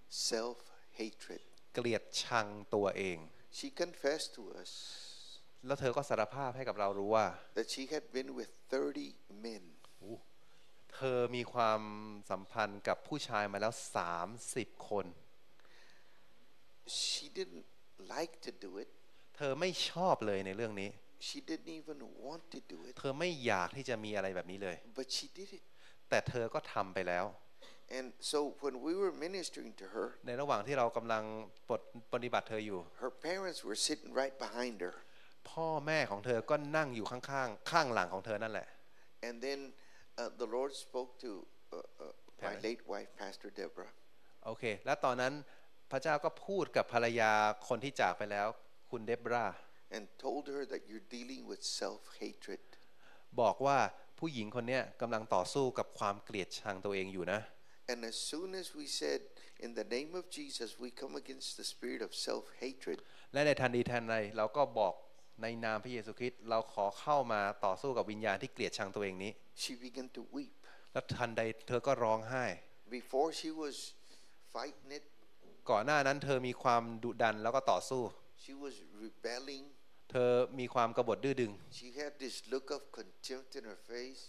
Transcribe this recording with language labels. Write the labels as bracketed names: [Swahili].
[English] Self hatred. [Thai] เกลียดชังตัวเอง [English] She confessed to us. [Thai] แล้วเธอก็สารภาพให้กับเรารู้ว่า [English] That she had been with 30 men. [Thai] เธอมีความสัมพันธ์กับผู้ชายมาแล้ว30คน [English] She didn'tLike to do it. [Thai] เธอไม่ชอบเลยในเรื่องนี้ [English] She didn't even want to do it. [Thai] เธอไม่อยากที่จะมีอะไรแบบนี้เลย [English] But she did it. [Thai] แต่เธอก็ทำไปแล้ว [English] And so when we were ministering to her, [Thai] ในระหว่างที่เรากำลังปฏิบัติเธออยู่ [English] her parents were sitting right behind her. [Thai] พ่อแม่ของเธอก็นั่งอยู่ข้างๆข้างหลังของเธอนั่นแหละ [English] And then the Lord spoke to my late wife, Pastor Deborah. [Thai] Okay, แล้วตอนนั้นพระเจ้าก็พูดกับภรรยาคนที่จากไปแล้วคุณเดโบราห์ [English] And told her that you're dealing with self-hatred. [Thai] บอกว่าผู้หญิงคนนี้กำลังต่อสู้กับความเกลียดชังตัวเองอยู่นะ [English] And as soon as we said, in the name of Jesus, we come against the spirit of self-hatred. [Thai] และในทันทีทันใดเราก็บอกในนามพระเยซูคริสต์เราขอเข้ามาต่อสู้กับวิญญาณที่เกลียดชังตัวเองนี้ [English] She began to weep. [Thai] และทันใดเธอก็ร้องไห้ [English] Before she was fighting it. [Thai] ก่อนหน้านั้นเธอมีความดุดันแล้วก็ต่อสู้ [English] She was rebelling. [Thai] เธอมีความกบฏดื้อดึง [English] She had this look of contempt in her face.